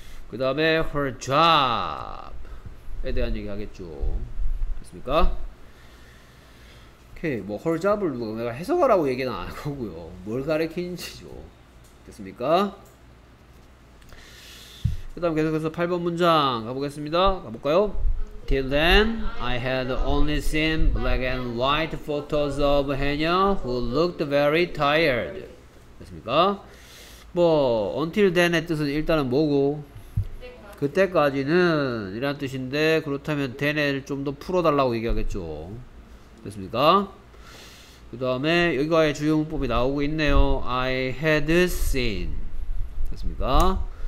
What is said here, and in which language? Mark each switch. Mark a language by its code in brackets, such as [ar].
[ko] 그 다음에 [en] her job [ko] 에 대한 얘기 하겠죠. 됐습니까? 오케이. 뭐 [en] her job [ko] 을 내가 해석하라고 얘기는 안 하고요. 뭘 가르치는지죠. 됐습니까? 그 다음 계속해서 8번 문장 가보겠습니다. 가볼까요? [en] Till then, I had only seen black and white photos of Hanya who looked very tired. [ko] 됐습니까? 뭐, [en] until then [ko] 의 뜻은 일단은 뭐고? 그때까지는 이란 뜻인데 그렇다면 then을 좀 더 풀어달라고 얘기하겠죠. 됐습니까? 그 다음에 여기가의 주요 문법이 나오고 있네요. [en] I had seen. [ko] 됐습니까?